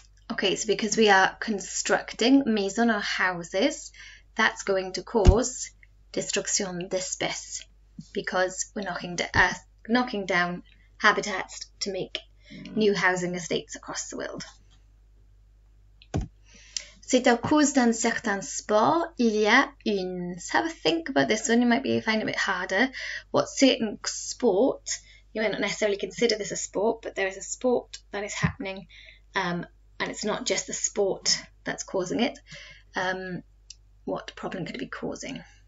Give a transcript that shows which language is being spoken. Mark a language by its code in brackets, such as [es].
[en] Okay, so because we are constructing maison or houses, that's going to cause [fr] destruction d'espèces [en] because we're knocking to earth, knocking down habitats to make new housing estates across the world. [fr] C'est à cause d'un certain sport, il y a une. [en] So have a think about this one, you might be finding it a bit harder. What certain sport, you might not necessarily consider this a sport, but there is a sport that is happening. And it's not just the sport that's causing it. What problem could it be causing?